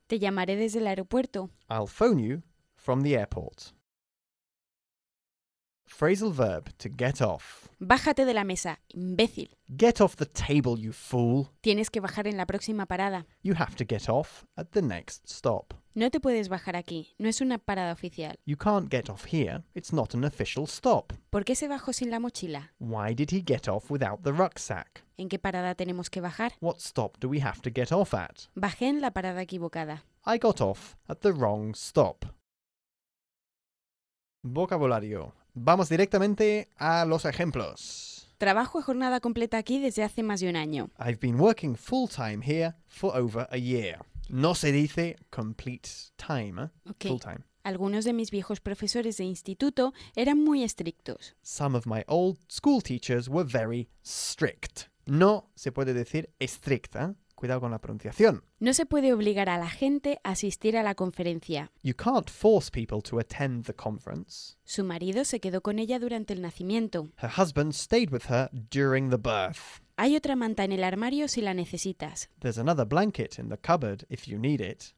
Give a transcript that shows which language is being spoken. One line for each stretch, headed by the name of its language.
Spanish: Te llamaré desde el aeropuerto.
English: I'll phone you from the airport. Phrasal verb to get off.
Spanish: Bájate de la mesa, imbécil.
English: Get off the table, you fool.
Spanish: Tienes que bajar en la próxima parada.
English: You have to get off at the next stop.
Spanish: No te puedes bajar aquí, no es una parada oficial.
English: You can't get off here, it's not an official stop.
Spanish: ¿Por qué se bajó sin la mochila?
English: Why did he get off without the rucksack?
Spanish: ¿En qué parada tenemos que bajar?
English: What stop do we have to get off at?
Spanish: Bajé en la parada equivocada.
English: I got off at the wrong stop.
Spanish: Vocabulario. Vamos directamente a los ejemplos. Trabajo a jornada completa aquí desde hace más de un año.
English: I've been working full time here for over a year.
Spanish: No se dice
English: complete time, okay. Full time.
Spanish: Algunos de mis viejos profesores de instituto eran muy estrictos.
English: Some of my old school teachers were very strict.
Spanish: No se puede decir estricta. Cuidado con la pronunciación. No se puede obligar a la gente a asistir a la conferencia.
English: You can't force people to attend the conference.
Spanish: Su marido se quedó con ella durante el nacimiento.
English: Her husband stayed with her during the birth.
Spanish: Hay otra manta en el armario si la necesitas.
English: There's another blanket in the cupboard if you need it.